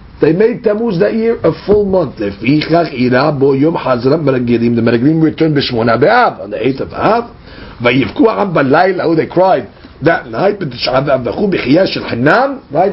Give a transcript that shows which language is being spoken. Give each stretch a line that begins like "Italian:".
English: They made Tammuz that year a full month.
Hebrew: לפיכך עירה בו יום חזרם מרגלים.
English: The מרגלים returned
Hebrew: בשמונה באב,
English: on the 8th of Av.
Hebrew: ויבכו העם בלילה,
English: they cried that night,
Hebrew: בתשעה באב, וכו בחייה של חנם, right?